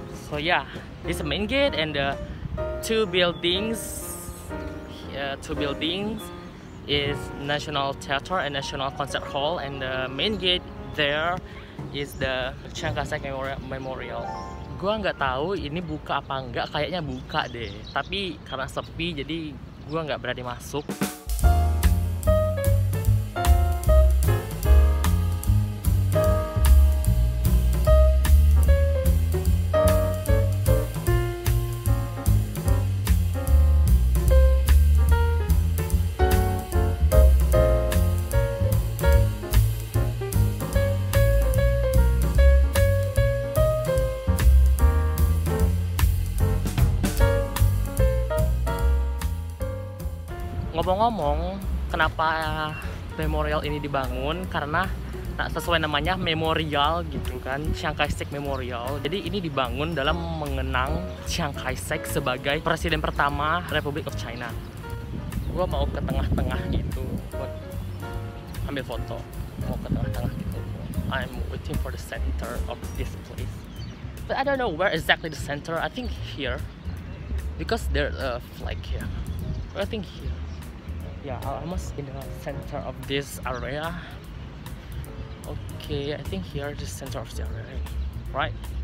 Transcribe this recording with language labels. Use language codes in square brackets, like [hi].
[en] So yeah, this main gate and the two buildings is National Theater and National Concert Hall, and the main gate there is the Chiang Kai-shek Memorial. [id] Gua nggak tahu ini buka apa enggak, kayaknya buka deh, tapi karena sepi jadi gua nggak berani masuk. Ngomong-ngomong, kenapa memorial ini dibangun? Karena nah, sesuai namanya memorial gitu kan, Chiang Kai-shek Memorial. Jadi ini dibangun dalam mengenang Chiang Kai-shek sebagai presiden pertama Republic of China. Gua mau ke tengah-tengah gitu buat ambil foto. Mau ke tengah-tengah gitu. [en] I'm waiting for the center of this place. But I don't know where exactly the center. I think here. Because there's a flag here. But I think here. Yeah, almost in the center of this area. Okay, I think here is the center of the area, right?